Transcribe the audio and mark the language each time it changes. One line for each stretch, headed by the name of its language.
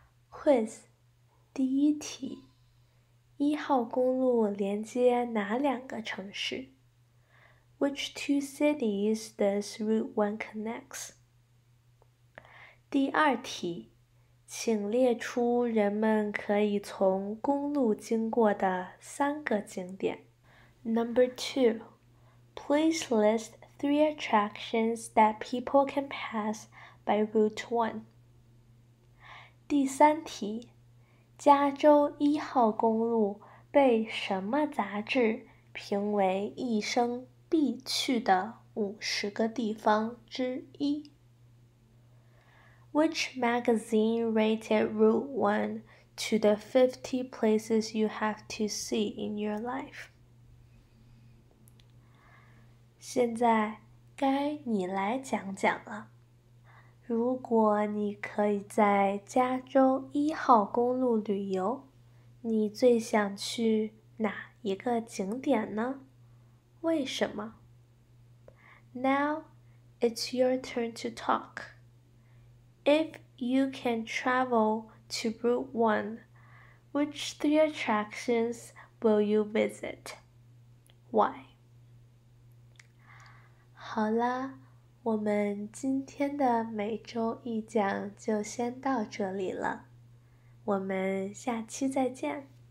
Chinese: Quiz 第一题，一号公路连接哪两个城市？
English: Which two cities does Route 1 connects?
Chinese: 第二题，请列出人们可以从公路经过的3个景点。
English: Number 2. Please list 3 attractions that people can pass by Route 1.
Chinese: 第三题，加州一号公路被什么杂志评为一生必去的50个地方之一？
English: Which magazine rated Route 1 to the 50 places you have to see in your life?
Chinese: 现在该你来讲讲了。如果你可以在加州一号公路旅游，你最想去哪一个景点呢？为什么？
English: Now, it's your turn to talk. If you can travel to Route 1, which 3 attractions will you visit? Why?
Chinese: 好啦，我们今天的每周一讲就先到这里了。我们下期再见。